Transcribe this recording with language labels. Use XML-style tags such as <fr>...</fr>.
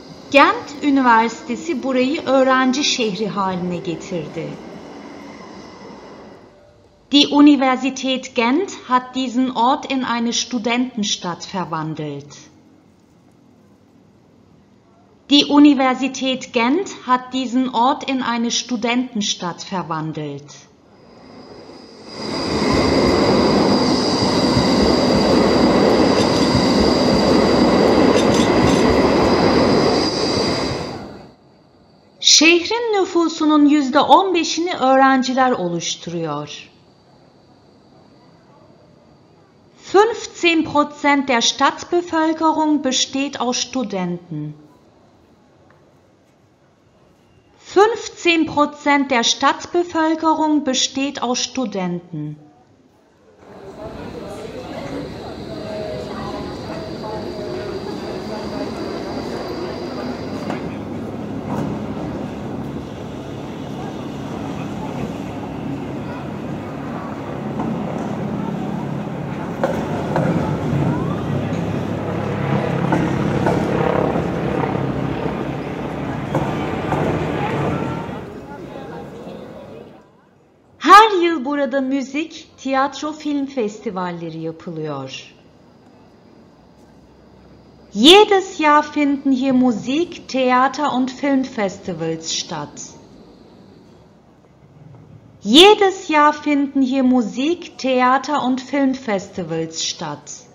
<tr>Gent Üniversitesi burayı öğrenci şehri haline getirdi.</tr> <de>Die Universität Gent hat diesen Ort in eine Studentenstadt verwandelt. Die Universität Gent hat diesen Ort in eine Studentenstadt verwandelt.</de> <tr>Şehrin nüfusunun %15'ini öğrenciler oluşturuyor.</tr> <de>15% der Stadtbevölkerung besteht aus Studenten. 15% der Stadtbevölkerung besteht aus Studenten.</de> <tr>Burada müzik, tiyatro, film festivalleri yapılıyor.</tr> <de>Jedes Jahr finden hier Musik, Theater und Filmfestivals statt. Jedes Jahr finden hier Musik, Theater und Filmfestivals statt.</de>